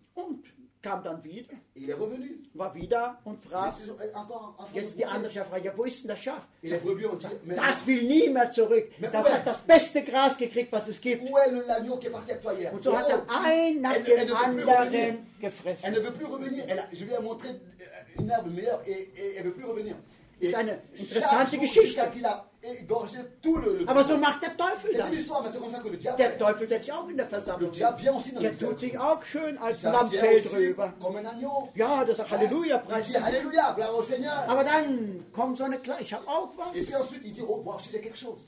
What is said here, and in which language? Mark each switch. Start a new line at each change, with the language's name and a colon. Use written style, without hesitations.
German: Und kam dann wieder. War wieder und fraß. Jetzt die andere Schaf fragt, ja, wo ist denn das Schaf? Das will nie mehr zurück. Das hat das beste Gras gekriegt, was es gibt. Und so hat er ein nach dem anderen gefressen.
French: Elle ne veut plus revenir. Je lui ai montré une herbe meilleure et elle veut plus revenir.
German: Das ist eine interessante Geschichte. Aber so macht der Teufel das. Der Teufel setzt sich auch in der Versammlung. Der tut sich auch schön als Lammfell drüber. Ja, das sagt Halleluja, preis dich. Aber dann kommt so eine Kleine, ich habe auch was.